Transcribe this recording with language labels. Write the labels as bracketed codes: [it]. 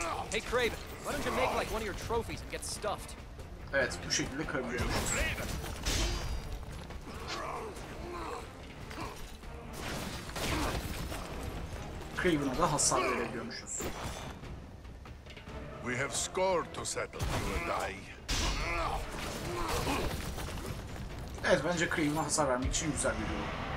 [en] Hey Kraven, why don't you make like one of your trophies and get stuffed? [tr] Evet, bu şekilde kırıyorum. Kraven'a da hasar verebiliyormuşuz. [en] We have score to settle, you and I. [tr] Evet, bence Kraven'a hasar vermek için güzel bir durum.